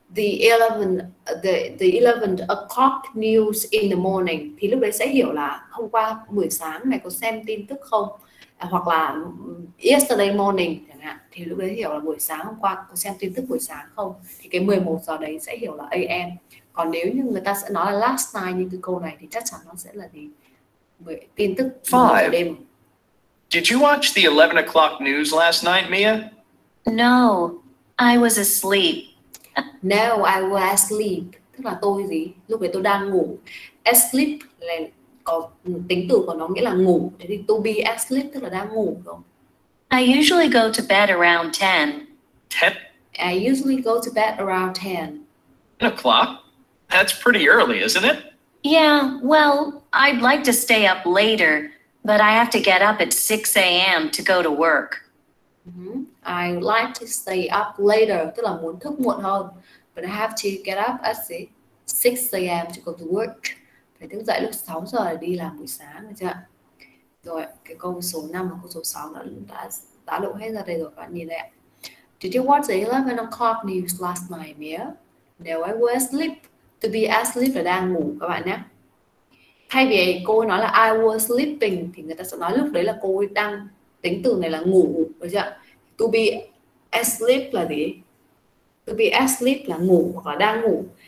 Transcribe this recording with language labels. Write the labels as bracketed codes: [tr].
[en] the 11 o'clock news in the morning, [vi] thì lúc đấy sẽ hiểu là hôm qua buổi sáng mày có xem tin tức không, hoặc là [en] yesterday morning [vi] chẳng hạn, thì lúc đấy hiểu là buổi sáng hôm qua có xem tin tức buổi sáng không, thì cái 11 giờ đấy sẽ hiểu là am. Còn nếu như người ta sẽ nói là [en] last night [vi] như cái câu này thì chắc chắn nó sẽ là gì, tin tức vào đêm. [en] Did you watch the 11 o'clock news last night, Mia? No, I was asleep. No, I was asleep. [vi] Tức là tôi gì? Lúc đấy tôi đang ngủ. Asleep là có tính từ của nó nghĩa là ngủ. Thế thì [en] to be asleep [vi] tức là đang ngủ. [en] I usually go to bed around 10. 10? I usually go to bed around 10. 10 o'clock? That's pretty early, isn't it? Yeah, well, I'd like to stay up later, but I have to get up at 6 a.m. to go to work. I like to stay up later, [vi] tức là muốn thức muộn hơn, [en] but I have to get up at 6 a.m. to go to work. [vi] Phải thức dậy lúc 6 giờ để đi làm buổi sáng, được chưa? Rồi, cái câu số 5 và câu số 6 đã lộ hết ra đây rồi, các bạn nhìn đây ạ. [en] Did you watch the 11 o'clock news last night, Mia? No, I was asleep. To be asleep [vi] là đang ngủ, các bạn nhé. Thay vì cô nói là [en] I was sleeping [vi] thì người ta sẽ nói lúc đấy là cô đang, tính từ này là ngủ, được chưa? [en] To be asleep [vi] là gì? To be asleep là ngủ hoặc là đang ngủ.